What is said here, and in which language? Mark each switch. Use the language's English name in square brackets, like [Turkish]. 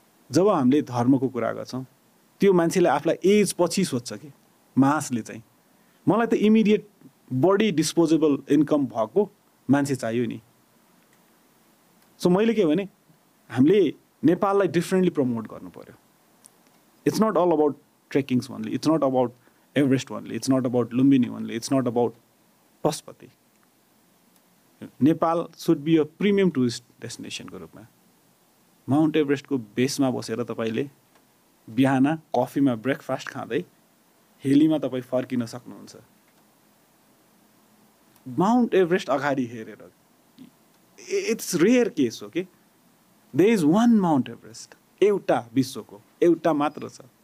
[Nepali] जब हामीले धर्मको कुरा गर्छौँ, त्यो मान्छेले आफूलाई एज पछि सोध्छ कि, मासले चाहिँ मलाई त [English] immediate बडी disposable income [Nepali] भएको मान्छे चाहियो नि. सो मैले के भने, हामीले नेपाललाई डिफ्रेन्टली प्रमोट गर्नु पऱ्यो. [English] It's not all about trekkings only, it's not about Everest only, it's not about Lumbini only, it's not about Pashupati. Nepal should be a premium tourist डेस्टिनेसनको [Nepali] रूपमा. माउन्ट एभरेस्टको बेसमा बसेर तपाईँले बिहान कफीमा ब्रेकफास्ट खाँदै हेलीमा तपाईँ फर्किन सक्नुहुन्छ. माउन्ट एभरेस्ट अगाडि हेरेर, [English] it's rare case [Nepali] हो कि, [English] there is one Mount Everest, [Nepali] एउटा विश्वको एउटा मात्र छ.